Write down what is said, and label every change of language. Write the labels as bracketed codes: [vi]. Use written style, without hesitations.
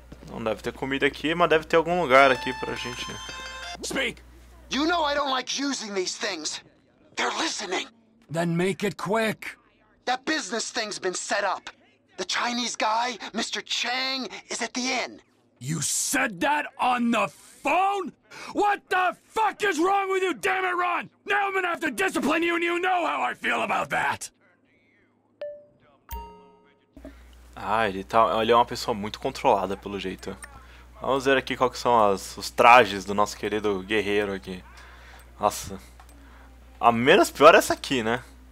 [pt] Não deve ter comida aqui, mas deve ter algum lugar aqui pra gente. [en] Speak! You know I don't like using these things. They're listening. Then make it quick. That business thing's been set up. The Chinese guy, Mr. Chang, is at the inn. You said that on the phone? What the fuck is wrong with you, damn it, Ron? Now I'm gonna have to discipline you, and you know how I feel about that. [pt] Ah, ele é uma pessoa muito controlada, pelo jeito. Vamos ver aqui quais são os trajes do nosso querido guerreiro aqui. Nossa. A menos pior é essa aqui, né?